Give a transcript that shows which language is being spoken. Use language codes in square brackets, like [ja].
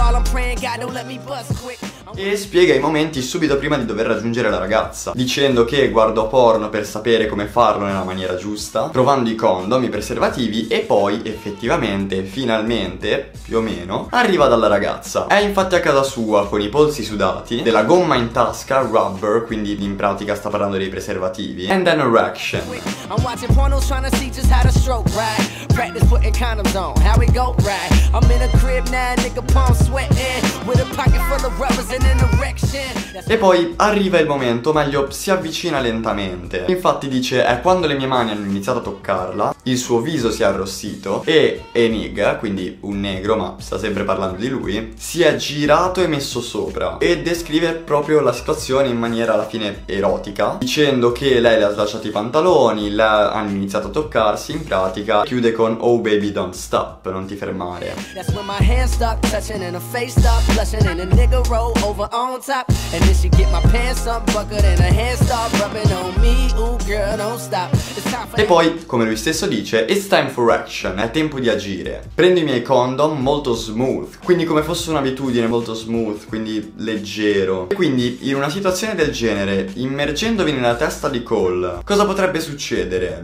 [it] E spiega i momenti subito prima di dover raggiungere la ragazza, dicendo che guardo porno per sapere come farlo nella maniera giusta, provando i condomi, i preservativi, e poi effettivamente, finalmente, più o meno, arriva dalla ragazza. È infatti a casa sua con i polsi sudati, della gomma in tasca, rubber, quindi in pratica sta parlando dei preservativi, [en] and an erection. I'm watching pornos trying to see just how to stroke, right? Practice putting condoms on, how we go, right? I'm in a crib now, nigga, palm sweating, with a pocket full of rubbers and an erection. [it] E poi arriva il momento, meglio si avvicina lentamente. Infatti dice: è quando le mie mani hanno iniziato a toccarla, il suo viso si è arrossito e Enig, quindi un negro, ma sta sempre parlando di lui, si è girato e messo sopra. E descrive proprio la situazione in maniera alla fine erotica, dicendo che lei le ha slacciato i pantaloni, lei ha iniziato a toccarsi in pratica. Chiude con: [en] oh baby don't stop, [it] non ti fermare. [en] That's when my hands start touching and her face start flushing and a nigga roll over on top. And then she get my pants up buckled and her hands start rubbing on me. Ooh girl don't stop. [it] E poi, come lui stesso dice, [en] it's time for action, [it] è tempo di agire. Prendo i miei condom, molto smooth, quindi come fosse un'abitudine, molto smooth, quindi leggero. E quindi, in una situazione del genere, immergendovi nella testa di Cole, cosa potrebbe succedere?